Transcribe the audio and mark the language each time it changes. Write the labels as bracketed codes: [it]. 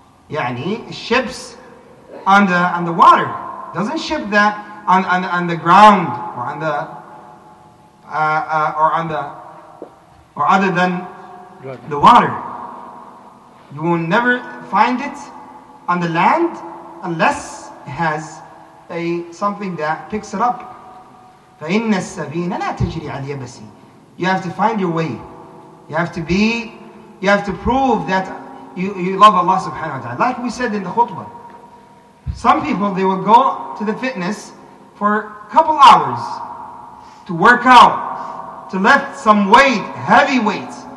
[en] يعني ships on the water doesn't ship that on the ground or on the or on the or other than the water. You will never find it on the land unless it has something that picks it up. [ar] فإن السفينة لا تجري على اليبس. [en] You have to find your way. You have to prove that you love Allah subhanahu wa ta'ala. Like we said in the khutbah. Some people, they will go to the fitness for a couple hours to work out, to lift some weight, heavy weight.